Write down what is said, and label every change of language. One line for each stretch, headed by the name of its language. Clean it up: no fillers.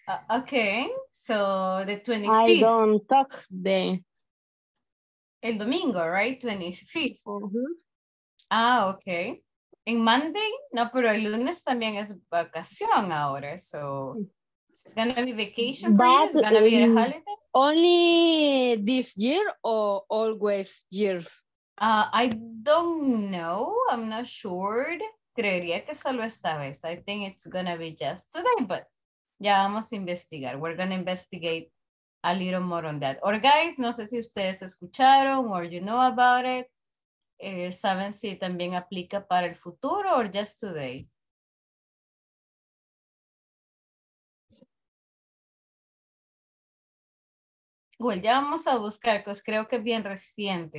English: Okay, so the 25th. I don't talk the...
Spanish: El domingo,
English: right?
Spanish: 25th. Mm-hmm. Ah, okay. En
English: Monday,
Spanish: no, pero el lunes también es vacación ahora,
English: so It's going to be vacation for you? It's going to be a holiday? Only this year or always years? I don't know. I'm not sure.
Spanish: Creería que solo esta vez.
English: I think it's going to be just today, but
Spanish: ya vamos a investigar.
English: We're going to investigate a little more on that. Or guys,
Spanish: no sé si ustedes escucharon
English: or you know about it.
Spanish: ¿Saben si también aplica para el futuro
English: or just today? Well,
Spanish: ya vamos a buscar, pues creo que es bien reciente.